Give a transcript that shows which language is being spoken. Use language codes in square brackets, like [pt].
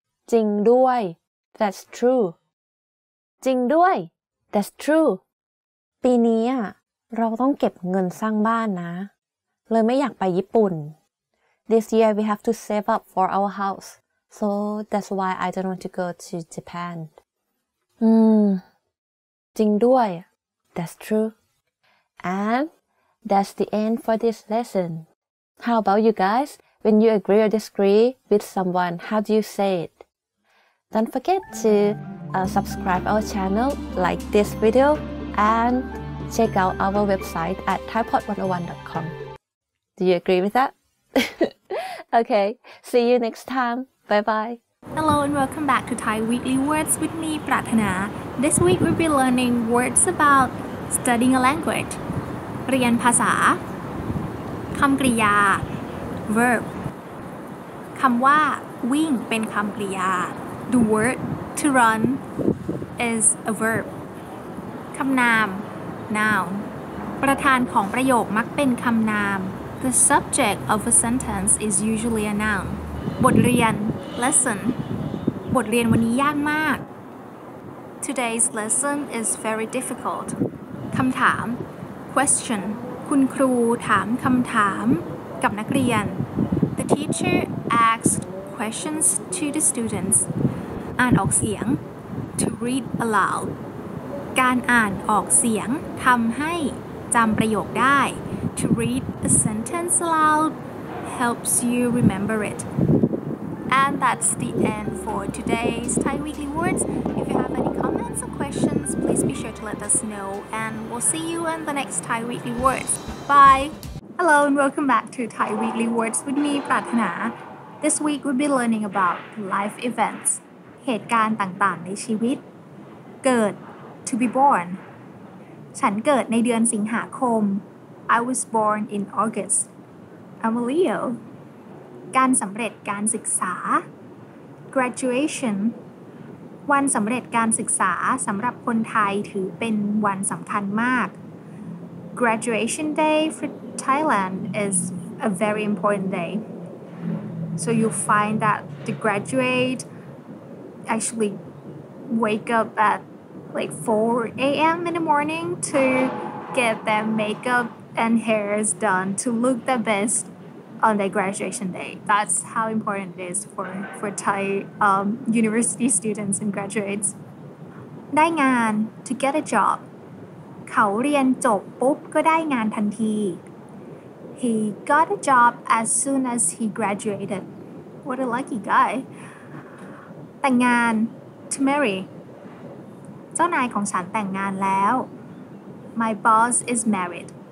[th] จริงด้วย [en] That's true จริงด้วย That's true [th] ปีนี้เราต้องเก็บเงินสร้างบ้านนะเลยไม่อยากไปญี่ปุ่น [en] This year we have to save up for our house So that's why I don't want to go to Japan จริงด้วย That's true And that's the end for this lesson How about you guys? When you agree or disagree with someone, how do you say it? Don't forget to subscribe our channel, like this video And check out our website at thaipod101.comDo you agree with that? Okay, see you next time. Bye-bye. Hello and welcome back to Thai Weekly Words with me, Prathana. This week we'll be learning words about studying a language. [th] เรียนภาษา คำกริยา Verb คำว่าวิ่งเป็นคำกริยา [en] The word to run is a verb. [th] คำนาม [en] Noun [th] ประธานของประโยคมักเป็นคำนามThe [en] subject of a sentence is usually a noun. บทเรียน lesson. [th] บทเรียนวันนี้ยากมาก [en] Today's lesson is very difficult. คำถาม question. [th] คุณครูถามคำถามกับนักเรียน [en] The teacher asked questions to the students. อ่านออกเสียง to read aloud. [th] การอ่านออกเสียงทำให้จำประโยคได้To [en] read a sentence aloud helps you remember it. And that's the end for today's Thai Weekly Words. If you have any comments or questions, please be sure to let us know. And we'll see you in the next Thai Weekly Words. Bye! Hello and welcome back to Thai Weekly Words with me, Prathana. This week we'll be learning about life events. [th] เหตุการณ์ต่างๆในชีวิต เกิด [en] To be born. [th] ฉันเกิดในเดือนสิงหาคมI [en] was born in August. I'm a Leo. [th] การสำเร็จการศึกษา Graduation. วันสำเร็จการศึกษาสำหรับคนไทยถือเป็นวันสำคัญมาก [en] Graduation day for Thailand is a very important day. So you'll find that the graduate actually wake up at like 4 a.m. in the morning to get their makeupand hair is done to look the best on their graduation day. That's how important it is for Thai university students and graduates. ได้งาน to get a job. [th] เขาเรียนจบปุ๊บก็ได้งานทันที [en] He got a job as soon as he graduated. What a lucky guy. แต่งงาน to marry. [th] เจ้านายของฉันแต่งงานแล้ว [en] My boss is married.